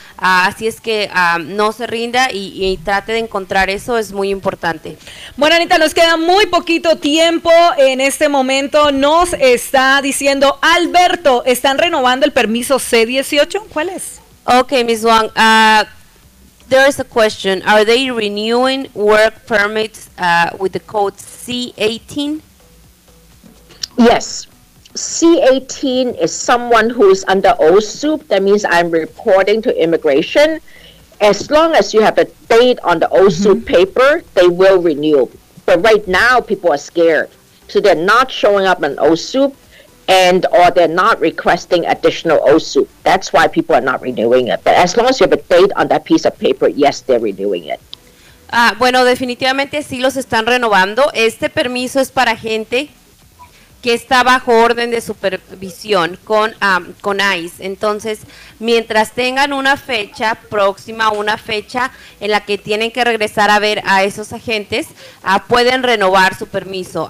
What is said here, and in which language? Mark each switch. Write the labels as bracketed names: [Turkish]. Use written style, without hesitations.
[Spanish] Así es que no se rinda y trate de encontrar eso, es muy importante. Bueno, Anita, nos queda muy poquito tiempo en este momento. Nos está diciendo Alberto: ¿están renovando el permiso C-18? ¿Cuál es? [English] Okay, Ms. Wong, there is a question. Are they renewing work permits with the code C-18? Yes. C-18 is someone who is under OSUP. That means I'm reporting to immigration. As long as you have a date on the OSUP paper, they will renew. But right now, people are scared. So they're not showing up on OSUP. And or they're not requesting additional OSUP. That's why people are not renewing it. But as long as you have a date on that piece of paper, yes, they're renewing it. [Spanish] Bueno, definitivamente sí los están renovando. Este permiso es para gente que está bajo orden de supervisión con ICE. Entonces, mientras tengan una fecha próxima, una fecha en la que tienen que regresar a ver a esos agentes, pueden renovar su permiso.